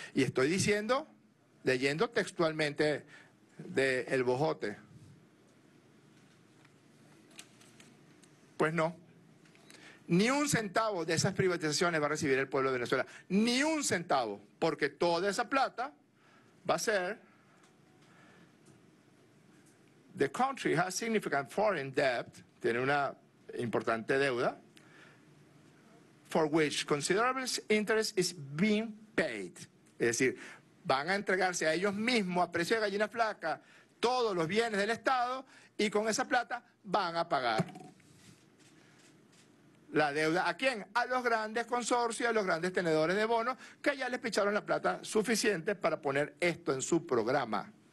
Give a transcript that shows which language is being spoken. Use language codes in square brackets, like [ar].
[es] Y estoy diciendo, leyendo textualmente de El Bojote, pues no. Ni un centavo de esas privatizaciones va a recibir el pueblo de Venezuela. Ni un centavo, porque toda esa plata va a ser... [en] The country has significant foreign debt, [es] tiene una importante deuda, [en] for which considerable interest is being paid. [es] Es decir, van a entregarse a ellos mismos a precio de gallina flaca todos los bienes del Estado y con esa plata van a pagar la deuda. ¿A quién? A los grandes consorcios, a los grandes tenedores de bonos que ya les picharon la plata suficiente para poner esto en su programa.